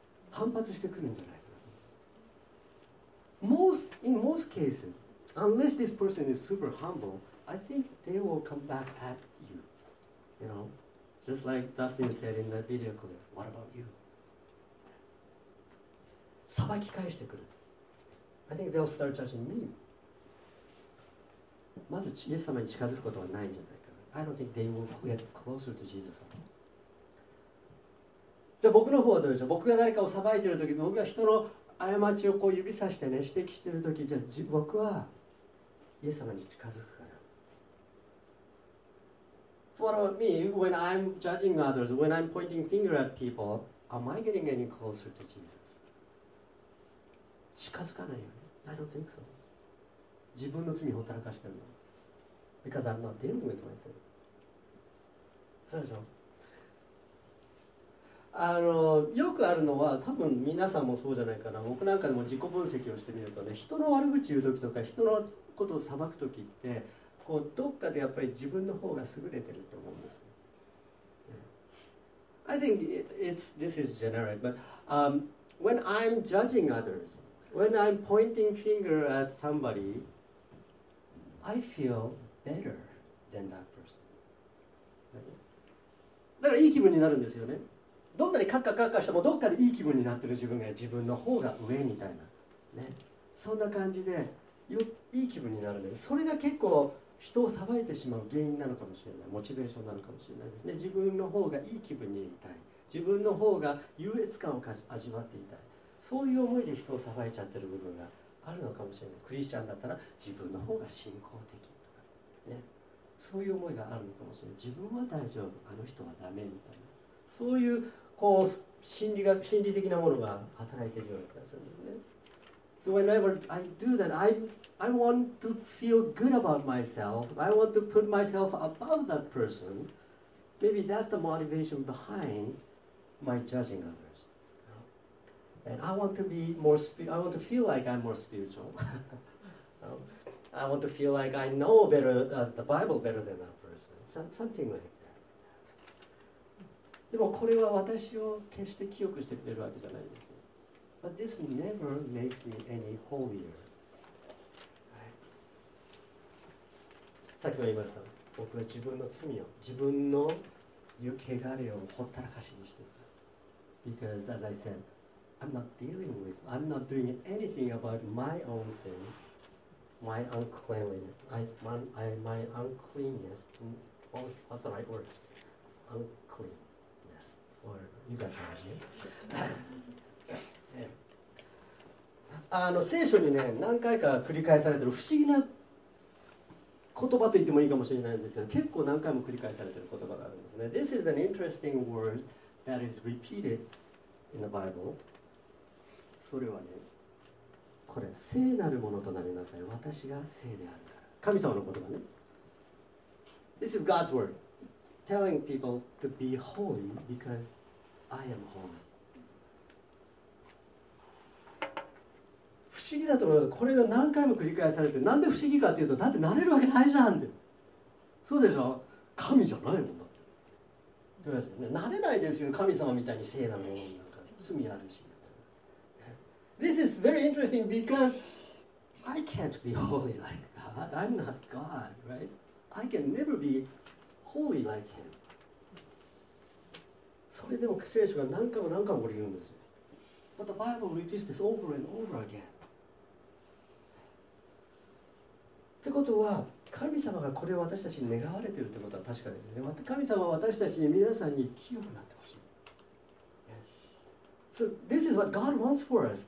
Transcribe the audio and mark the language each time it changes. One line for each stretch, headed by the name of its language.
Japanese: 反発してくるんじゃないかな。
English: In most cases, unless this person is super humble, I think they will come back at you. You know, just like Dustin said in that video clip, What about you?
Japanese: 裁き返してくる。
English: I think they'll start judging me.
Japanese: まずイエス様に近づくことはないんじゃないかな。
English: I don't think they will get closer to Jesus.
Japanese: じゃあ僕の方はどうでしょう。僕が誰かを裁いているとき、僕が人の過ちをこう指さしてね、指摘しているとき、じゃあ僕はイエス様に近づくかな。
English: So what about me? When I'm judging others, when I'm pointing finger at people, am I getting any closer to Jesus?
Japanese: 近づかないよね。
English: I don't think so.
Japanese: 自分の罪をほったらかしてるの。
English: Because I'm not dealing with myself.
Japanese: そうでしょ。よくあるのは、多分皆さんもそうじゃないかな。僕なんかでも自己分析をしてみるとね、人の悪口言うときとか、人のことを裁くときって、こうどっかでやっぱり自分の方が優れてると思うんです。
English: I think this is generic, but when I'm judging others, when I'm pointing finger at somebody,I feel better than that person.
Japanese: だからいい気分になるんですよね。どんなにカッカカッカしてもどっかでいい気分になってる自分が自分の方が上みたいな、ね、そんな感じでいい気分になるんです。それが結構人を裁いてしまう原因なのかもしれない。モチベーションなのかもしれないですね。自分の方がいい気分にいたい、自分の方が優越感を味わっていたい、そういう思いで人を裁いちゃってる部分があるのかもしれない。クリスチャンだったら自分の方が信仰的とか、ね、そういう思いがあるのかもしれない。自分は大丈夫、あの人はダメみたいな、そういうこう心理的なものが働いているような気がするんですね。
English: So whenever I do that, I want to feel good about myself. I want to put myself above that person. Maybe that's the motivation behind my judging others. And I want to be more I want to feel like I'm more spiritual. I want to feel like I know better, the Bible better than that person. Something like that.
Japanese: でもこれは私を決して清くしてくれるわけじゃないです。
English: But this never makes me any holier. Right?
Japanese: さっきも言いました。僕は自分の罪を、自分の汚れをほったらかしにしている。
English: Because as I said,I'm not doing anything about my own sin, my uncleanliness, my uncleanness, what's the right word? Uncleanness, or you got the idea.
Japanese: 聖書にね、何回か繰り返されてる不思議な言葉と言ってもいいかもしれないんですけど、結構何回も繰り返されてる言葉があるんですね。
English: This is an interesting word that is repeated in the Bible.
Japanese: それはね、これ聖なるものとなりなさい。私が聖であるから、神様の言葉ね。
English: This is God's word telling people to be holy because I am holy.
Japanese: 不思議だと思います。これが何回も繰り返されて、なんで不思議かっていうと、だってなれるわけないじゃんって。そうでしょ、神じゃないもんだって。どうですよね、なれないですよ、神様みたいに聖なるものなんか罪あるし。
English: This is very interesting because I can't be holy like God. I'm not God, right? I can never be holy like Him.
Japanese: それでも聖書が何回も何回も言うんですよ。
English: But the Bible repeats this over and over again.
Japanese: ってことは、神様がこれを私たちに願われているってことは確かですね。また神様は私たちに、皆さんに清くなってほしい。
English: So this is what God wants for us.